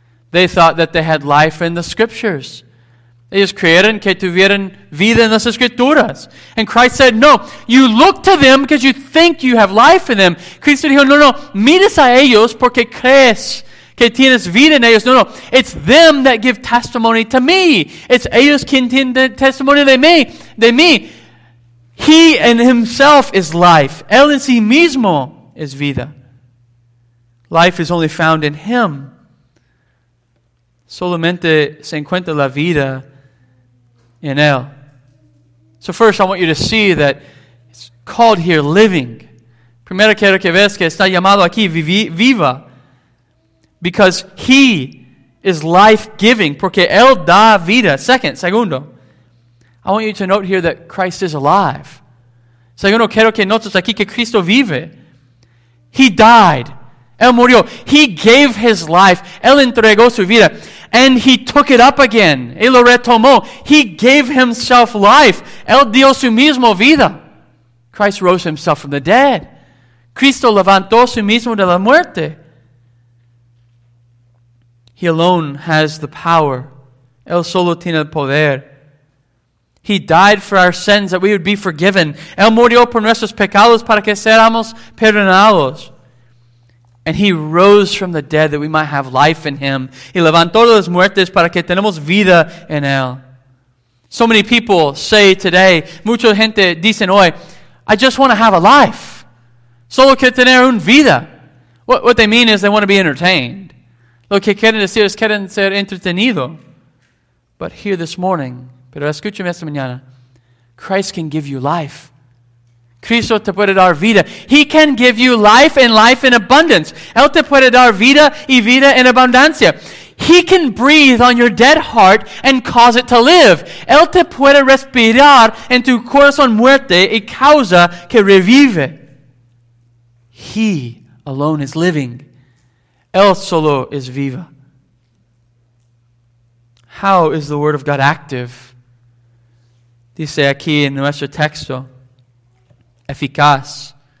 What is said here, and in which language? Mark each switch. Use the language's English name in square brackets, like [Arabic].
[English] They thought that they had life in the Scriptures. [Spanish] Ellos creyeron que tuvieron vida en las Escrituras. [English] And Christ said, no, you look to them because you think you have life in them. [Spanish] Cristo dijo, no, mires a ellos porque crees que tienes vida en ellos. [English] No, it's them that give testimony to me. [Spanish] It's ellos quien tienen testimony de mí. [English] He in himself is life. [Spanish] Él en sí mismo es vida. [English] Life is only found in him. [Spanish] Solamente se encuentra la vida in El. [English] So first, I want you to see that it's called here living. [Spanish] Primero quiero que veas que está llamado aquí viva. [English] Because He is life-giving. [Spanish] Porque Él da vida. Segundo. [English] I want you to note here that Christ is alive. [Spanish] Segundo, quiero que notes aquí que Cristo vive. [English] He died. [Spanish] Él murió. [English] He gave His life. [Spanish] Él entregó su vida. [English] And He took it up again. [Spanish] Él lo retomó. [English] He gave Himself life. [Spanish] Él dio su mismo vida. [English] Christ rose Himself from the dead. [Spanish] Cristo levantó su mismo de la muerte. [English] He alone has the power. [Spanish] Él solo tiene el poder. [English] He died for our sins that we would be forgiven. [Spanish] Él murió por nuestros pecados para que seamos perdonados. [English] And He rose from the dead that we might have life in Him. [Spanish] Y levantó de los muertos para que tenemos vida en Él. [English] So many people say today, [Spanish] mucha gente dicen hoy, [English] I just want to have a life. [Spanish] Solo quiero tener una vida. [English] What they mean is they want to be entertained. [Spanish] Lo que quieren decir es quieren ser entretenido. [English] But here this morning, [Spanish] pero escúchame esta mañana, [English] Christ can give you life. [Spanish] Cristo te puede dar vida. [English] He can give you life and life in abundance. [Spanish] Él te puede dar vida y vida en abundancia. [English] He can breathe on your dead heart and cause it to live. [Spanish] Él te puede respirar en tu corazón muerte y causa que revive. [English] He alone is living. [Spanish] Él solo es viva. [English] How is the Word of God active? [Spanish] Dice aquí en nuestro texto. Eficaz.